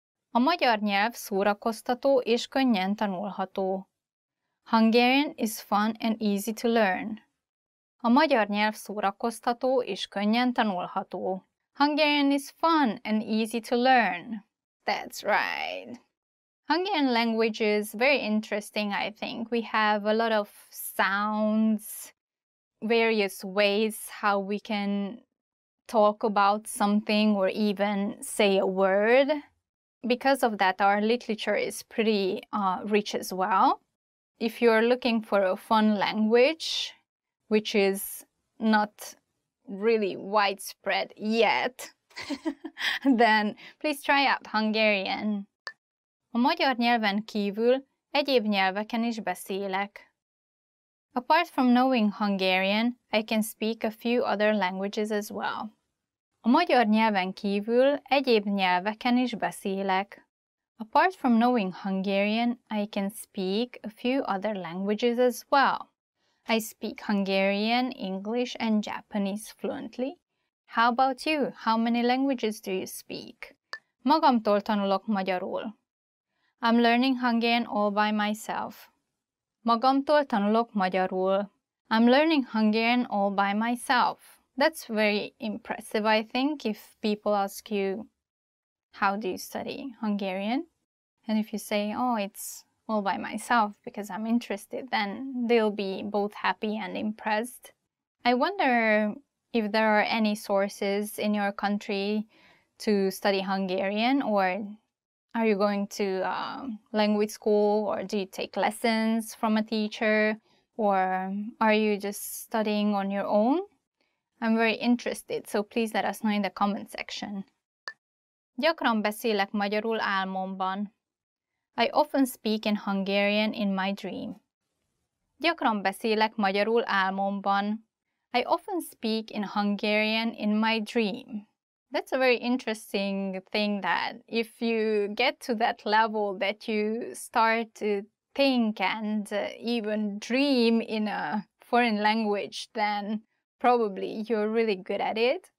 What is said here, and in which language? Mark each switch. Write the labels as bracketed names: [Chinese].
[Hungarian] A magyar nyelv szórakoztató és könnyen tanulható. [English] Hungarian is fun and easy to learn. [Hungarian] A magyar nyelv szórakoztató és könnyen tanulható. [English] Hungarian is fun and easy to learn. That's right. Hungarian language is very interesting, I think. We have a lot of sounds, various ways how we can talk about something or even say a word. Because of that, our literature is pretty rich as well. If you're looking for a fun language, which is not really widespread yet, then please try out Hungarian. [Hungarian] A magyar nyelven kívül egyéb nyelveken is beszélek. [English] Apart from knowing Hungarian, I can speak a few other languages as well. [Hungarian] A magyar nyelven kívül egyéb nyelveken is beszélek. [English] Apart from knowing Hungarian, I can speak a few other languages as well. I speak Hungarian, English, and Japanese fluently. How about you? How many languages do you speak? [Hungarian] Magamtól tanulok magyarul. [English] I'm learning Hungarian all by myself. [Hungarian] Magamtól tanulok magyarul. [English] I'm learning Hungarian all by myself. That's very impressive, I think, if people ask you, how do you study Hungarian? And if you say, oh, it's all by myself because I'm interested, then they'll be both happy and impressed. I wonder if there are any sources in your country to study Hungarian, or are you going to language school, or do you take lessons from a teacher, or are you just studying on your own? I'm very interested, so please let us know in the comment section. [Hungarian] Gyakran beszélek magyarul álmomban. [English] I often speak in Hungarian in my dream. [Hungarian] Gyakran beszélek magyarul álmomban. [English] I often speak in Hungarian in my dream. That's a very interesting thing, that if you get to that level that you start to think and even dream in a foreign language, then probably you're really good at it.